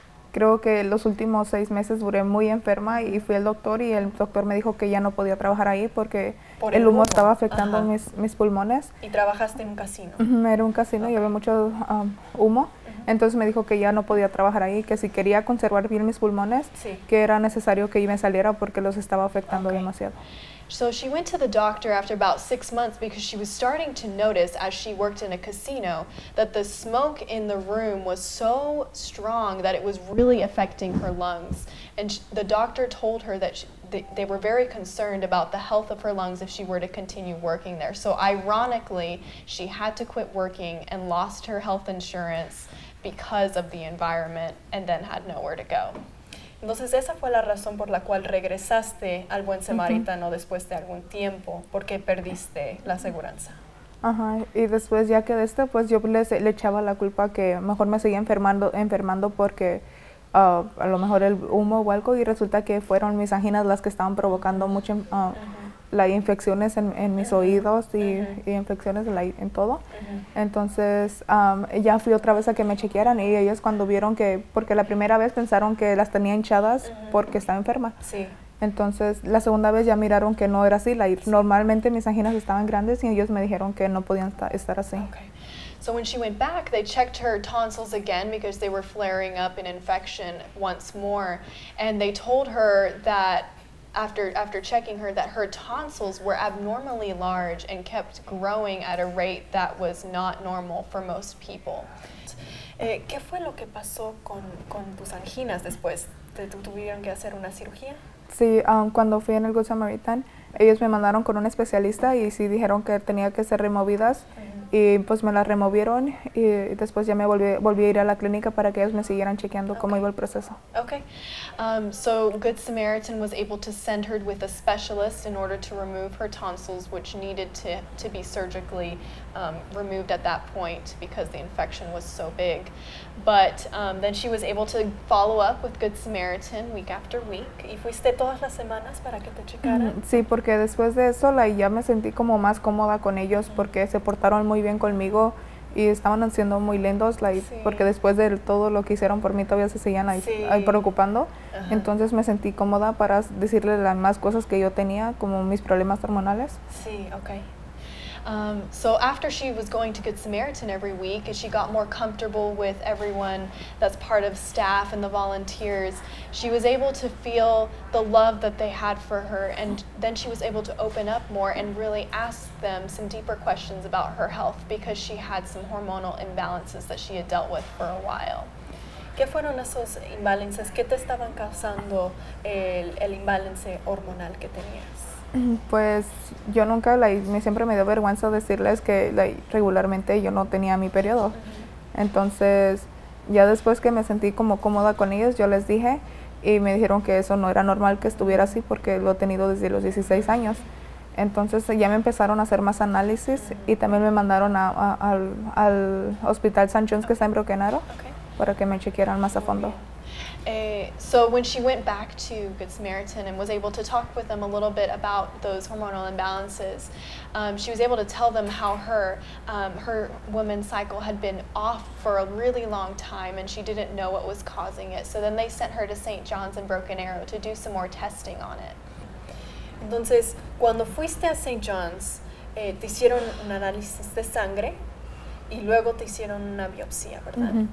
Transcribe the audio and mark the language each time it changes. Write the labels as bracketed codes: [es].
[es] Creo que los últimos 6 meses duré muy enferma y fui al doctor y el doctor me dijo que ya no podía trabajar ahí porque por el humo estaba afectando mis pulmones. ¿Y trabajaste en un casino? Era un casino y había mucho humo. Entonces me dijo que ya no podía trabajar ahí, que si quería conservar bien mis pulmones, que era necesario que me saliera porque los estaba afectando demasiado. [en] So she went to the doctor after about 6 months because she was starting to notice as she worked in a casino that the smoke in the room was so strong that it was really affecting her lungs. And the doctor told her that they were very concerned about the health of her lungs if she were to continue working there. So ironically, she had to quit working and lost her health insurance because of the environment and then had nowhere to go. [es] Entonces, esa fue la razón por la cual regresaste al Buen Samaritano después de algún tiempo, porque perdiste la aseguranza. Ajá, y después ya que de esto, pues yo le echaba la culpa que mejor me seguía enfermando porque a lo mejor el humo o algo, y resulta que fueron mis anginas las que estaban provocando mucho, like, infecciones en mis oídos y infecciones like, en todo. Entonces, ya fui otra vez a que me chequearan y ellos cuando vieron que, porque la primera vez pensaron que las tenía hinchadas porque estaba enferma. Sí. Entonces, la segunda vez ya miraron que no era así. Normalmente mis anginas estaban grandes y ellos me dijeron que no podían estar así. [en] So when she went back, they checked her tonsils again because they were flaring up an infection once more. And they told her that after checking her, that her tonsils were abnormally large and kept growing at a rate that was not normal for most people. [es] ¿Qué fue lo que pasó con tus anginas después? ¿Te tuvieron que hacer una cirugía? Sí, cuando fui en el Good Samaritan, ellos me mandaron con un especialista y sí dijeron que tenía que ser removidas y pues me las removieron y después ya me volví a ir a la clínica para que ellos me siguieran chequeando cómo iba el proceso. [en] So Good Samaritan was able to send her with a specialist in order to remove her tonsils, which needed to be surgically removed at that point because the infection was so big. But then she was able to follow up with Good Samaritan week after week. [es] ¿Y fuiste todas las semanas para que te checaran? Sí, porque después de eso ya me sentí como más cómoda con ellos porque se portaron muy bien conmigo y estaban siendo muy lindos, porque Sí. después de todo lo que hicieron por mí todavía se seguían ahí Sí. preocupando. Entonces me sentí cómoda para decirle las más cosas que yo tenía, como mis problemas hormonales. Sí, okay. [en] So after she was going to Good Samaritan every week and she got more comfortable with everyone that's part of staff and the volunteers, she was able to feel the love that they had for her, and then she was able to open up more and really ask them some deeper questions about her health because she had some hormonal imbalances that she had dealt with for a while. [es] ¿Qué fueron esos imbalances? ¿Qué te estaban causando el imbalance hormonal que tenías? Pues yo nunca, siempre me dio vergüenza decirles que regularmente yo no tenía mi periodo. Entonces, ya después que me sentí como cómoda con ellos, yo les dije y me dijeron que eso no era normal que estuviera así porque lo he tenido desde los 16 años. Entonces ya me empezaron a hacer más análisis y también me mandaron al Hospital St. John's que está en Broken para que me chequearan más a Muy fondo. bien. [en] So when she went back to Good Samaritan and was able to talk with them a little bit about those hormonal imbalances, she was able to tell them how her woman's cycle had been off for a really long time and she didn't know what was causing it. So then they sent her to St. John's in Broken Arrow to do some more testing on it. [es] Entonces, cuando fuiste a St. John's, te hicieron un análisis de sangre y luego te hicieron una biopsia, ¿verdad?